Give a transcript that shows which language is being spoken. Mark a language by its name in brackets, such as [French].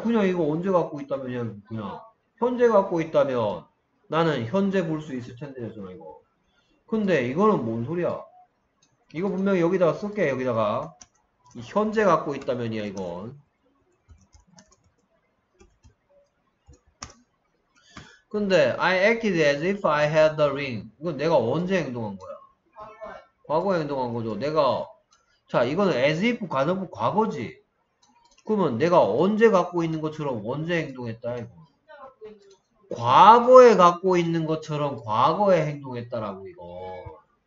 [Korean] 그냥 이거 언제 갖고 있다면 그냥 현재 갖고 있다면 나는 현재 볼수 있을 텐데잖아 이거. 근데 이거는 뭔 소리야? 이거 분명히 여기다가 쓸게. 여기다가 이 현재 갖고 있다면이야 이건. 근데 [English] I acted as if I had the ring. [Korean] 이건 내가 언제 행동한 거야? 과거에 행동한 거죠. 내가 자 이거는 as if 가정법 과거지. 그러면 내가 언제 갖고 있는 것처럼 언제 행동했다 이거. 과거에 갖고 있는 것처럼 과거에 행동했다라고 이거.